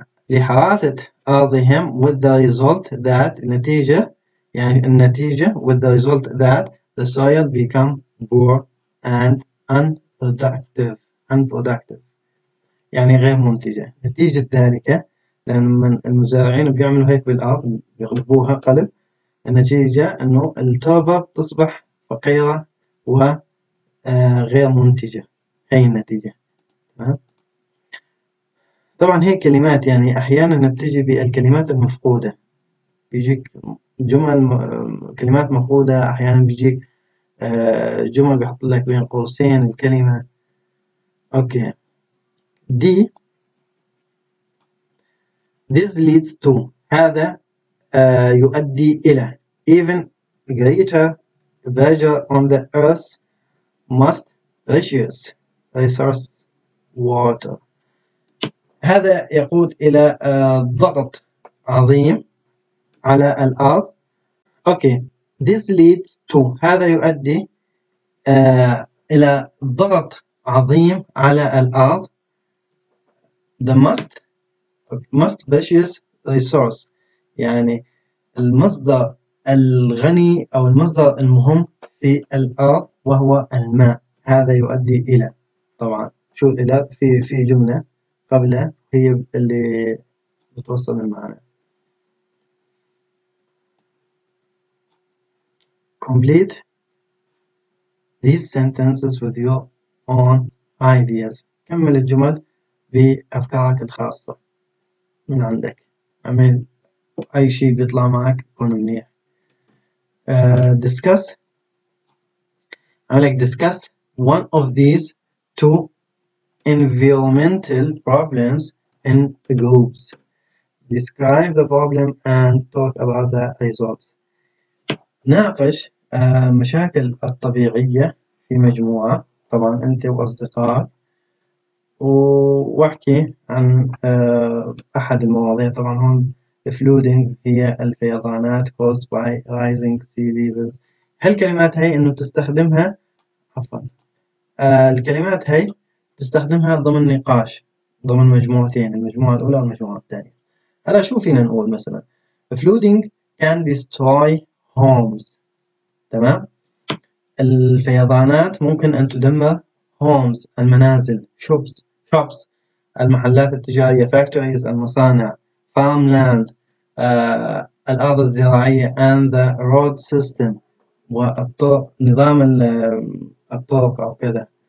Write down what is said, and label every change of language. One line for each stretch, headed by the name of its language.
Arabic: لحراسة أرضهم
English: with the result that
Arabic: النتيجة، يعني النتيجة
English: with the result that the soil become poor and unproductive،
Arabic: يعني غير منتجة. نتيجة ذلك، لأن المزارعين بيعملوا هيك بالأرض بيغلبوها قلب، النتيجة إنه التربة تصبح فقيرة وغير منتجة. هي النتيجة. طبعا هي كلمات، يعني أحيانا بتجي بالكلمات المفقودة، بيجيك جمل كلمات مفقودة، أحيانا بيجيك جمل بيحط لك بين قوسين الكلمة. أوكي، دي
English: This leads to
Arabic: هذا يؤدي إلى
English: even greater pressure on the earth must precious resource water.
Arabic: هذا يقود إلى ضغط عظيم على الأرض.
English: Okay, this leads to
Arabic: هذا يؤدي إلى ضغط عظيم على الأرض.
English: The must precious resource
Arabic: يعني المصدر الغني أو المصدر المهم في الأرض وهو الماء. هذا يؤدي إلى طبعا شو إلى في جملة قبلها هي اللي بتوصل المعنى.
English: Complete these sentences with your own ideas.
Arabic: كمل الجمل بأفكارك الخاصة من عندك. أعمل أي شيء بيطلع معك يكون منيح.
English: Discuss. I like discuss one of these two environmental problems in groups. Describe the problem and talk about the results.
Arabic: ناقش مشاكل الطبيعية في مجموعة طبعا أنت وأصدقائك وأحكي عن أحد المواضيع. طبعا هون
English: flooding
Arabic: هي الفيضانات
English: caused by rising sea levels.
Arabic: هالكلمات هاي إنه تستخدمها عفوا الكلمات هاي تستخدمها ضمن نقاش ضمن مجموعتين المجموعة الأولى والمجموعة الثانية. هلا شو فينا نقول مثلا
English: flooding can destroy homes.
Arabic: تمام الفيضانات ممكن أن تدمر homes المنازل shops المحلات التجارية factories المصانع farmland الأرض الزراعية
English: and the road system
Arabic: والطرق نظام الطرق أو كذا